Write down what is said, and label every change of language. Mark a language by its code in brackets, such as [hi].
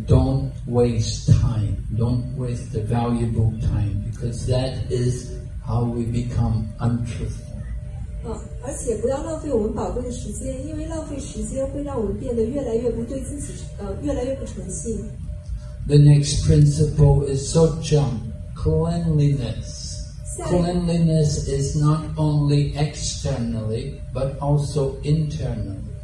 [en] don't waste time, don't waste the valuable time, because that is how we become untruthful. [zh] 而且不要浪费我们宝贵的时间，因为浪费时间会让我们变得越来越不对自己，越来越不诚信。 [en] The next principle is sojam, cleanliness. Cleanliness is not only externally, but also internally.